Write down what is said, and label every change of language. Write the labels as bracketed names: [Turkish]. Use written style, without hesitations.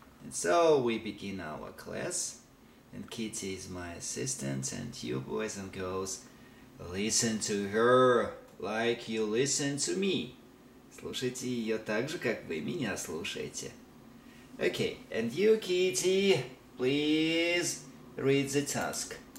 [English] And so we begin our class, and Kitty is my assistant, and you boys and girls, listen to her like you listen to me. [Russian] Слушайте ее так же, как вы меня слушаете. [English] Okay, and you, Kitty, please read the task.